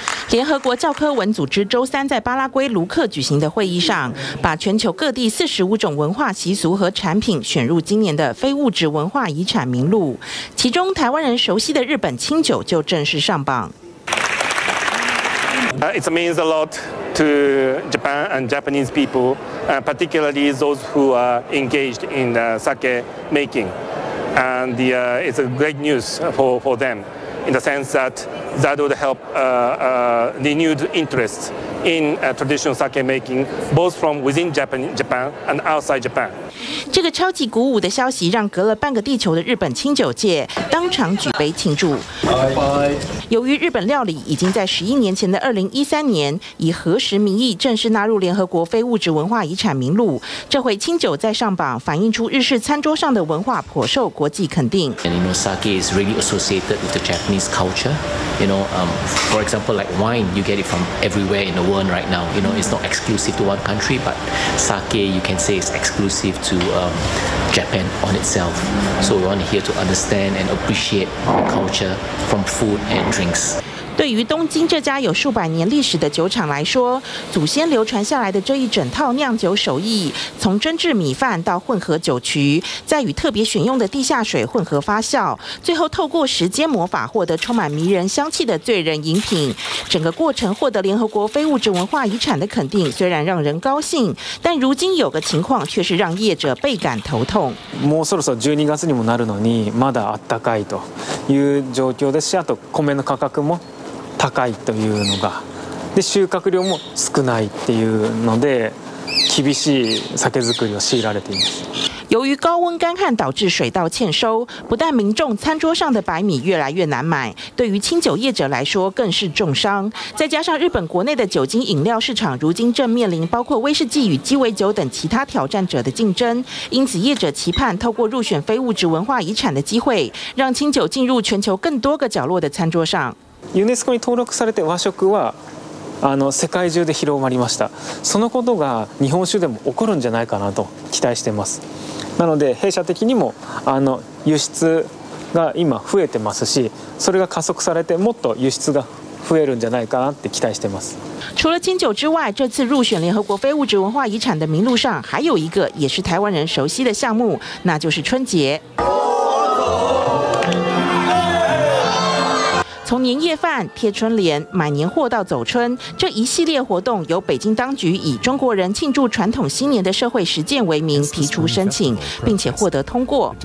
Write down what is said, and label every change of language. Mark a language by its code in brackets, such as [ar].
[zh] 联合国教科文组织周三在巴拉圭卢克举行的会议上，把全球各地45种文化习俗和产品选入今年的非物质文化遗产名录，其中台湾人熟悉的日本清酒就正式上榜。 [en] It means a lot to Japan and Japanese people, particularly those who are engaged in sake making, and it's a great news for them. In the sense that that would help renewed interest in traditional sake making, both from within Japan and outside Japan. [zh] 这个超级鼓舞的消息让隔了半个地球的日本清酒界当场举杯庆祝。由于日本料理已经在11年前的2013年以和食名义正式纳入联合国非物质文化遗产名录，这回清酒再上榜，反映出日式餐桌上的文化颇受国际肯定。 [en] And you know, sake is really associated with the Japanese culture. You know, for example, like wine, you get it from everywhere in the world right now. You know, it's not exclusive to one country, but sake, you can say, is exclusive to Japan on itself. So we want here to understand and appreciate our culture from food and. [zh] 对于东京这家有数百年历史的酒厂来说，祖先流传下来的这一整套酿酒手艺，从蒸制米饭到混合酒曲，再与特别选用的地下水混合发酵，最后透过时间魔法获得充满迷人香气的醉人饮品，整个过程获得联合国非物质文化遗产的肯定，虽然让人高兴，但如今有个情况却是让业者倍感头痛。 [ja] もうそろそろ12月にもなるのにまだあったかいという状況ですし、あと米の価格も高いというのが、で収穫量も少ないっていうので、厳しい酒造りを強いられています。 [zh] 由于高温干旱导致水稻欠收，不但民众餐桌上的白米越来越难买，对于清酒业者来说更是重伤。再加上日本国内的酒精饮料市场如今正面临包括威士忌与鸡尾酒等其他挑战者的竞争，因此业者期盼透过入选非物质文化遗产的机会，让清酒进入全球更多个角落的餐桌上。 [ja] ユネスコに登録されて和食は世界中で広まりました。そのことが日本酒でも起こるんじゃないかなと期待しています。なので弊社的にも輸出が今増えてますし、それが加速されてもっと輸出が増えるんじゃないかなって期待しています。 [zh] 除了清酒之外，这次入选联合国非物质文化遗产的名录上，还有一个也是台湾人熟悉的项目，那就是春节。从年夜饭、贴春联、买年货到走春，这一系列活动由北京当局以中国人庆祝传统新年的社会实践为名提出申请，并且获得通过。